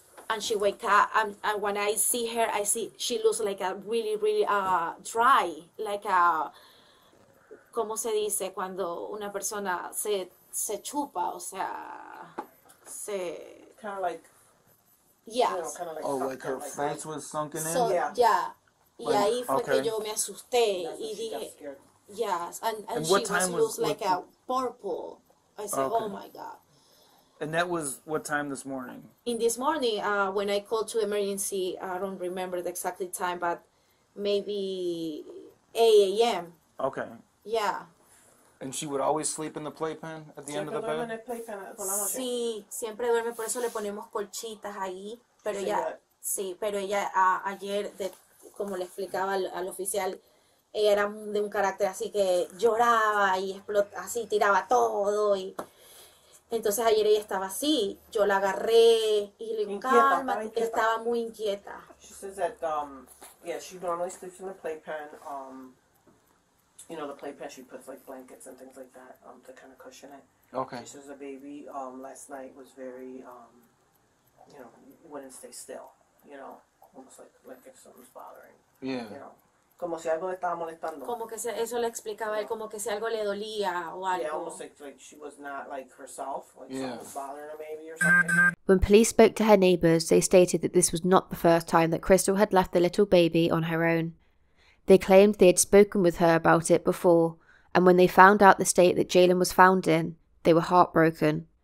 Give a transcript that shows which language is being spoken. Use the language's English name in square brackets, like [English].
[English] And she wake up, and when I see her, I see she looks like a really, really dry, like a, [Spanish] ¿cómo se dice? Cuando una persona se chupa, o sea, se... [English] Kind of like... Yeah. You know, like, oh, like her face was sunken in? So, yeah. Yeah. [Spanish] Y ahí fue que yo me asusté, y dije... [English] Yes, and she was like a purple. I said, okay. Oh my God. And that was what time this morning? In this morning, when I called to emergency, I don't remember the exact time, but maybe 8 a.m. Okay. Yeah. And she would always sleep in the playpen at the end of the bed? [Spanish] Sí, siempre duerme, por eso le ponemos colchitas ahí. Pero ella, sí, pero ella ayer, como le explicaba al oficial, ella era de un carácter así que lloraba y explotaba, así tiraba todo. Y entonces ayer ella estaba así, yo la agarré y le digo, calma, estaba muy inquieta. [English] She says that, she normally sleeps in the playpen, you know, the playpen, she puts like blankets and things like that to kind of cushion it. Okay. She says the baby last night was very, you know, wouldn't stay still, you know, almost like if something's bothering, yeah. You know. [Spanish] Como si algo le estaba molestando. Como que eso le explicaba él, como que si algo le dolía o algo. [English] Yeah, almost like she was not like herself, like yeah. Something was bothering her maybe or something. When police spoke to her neighbours, they stated that this was not the first time that Kristel had left the little baby on her own. They claimed they had spoken with her about it before, and when they found out the state that Jailyn was found in, they were heartbroken.